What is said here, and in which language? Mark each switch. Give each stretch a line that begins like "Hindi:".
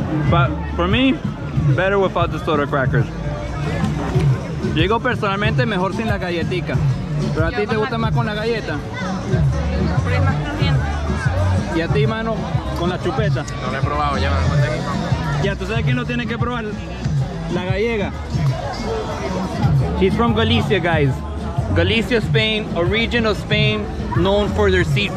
English: But for me, better without the soda crackers.
Spanish: Llego personalmente mejor sin la galletica. Pero a ti te gusta más con la galleta. Pero es más crujiente. Y a ti, mano, con la chupeta. No la he probado, ya me cuenta que no. Ya, ¿tú sabes quién lo tiene que probar? La gallega.
English: He's from Galicia, guys. Galicia, Spain, a region of Spain known for their seafood.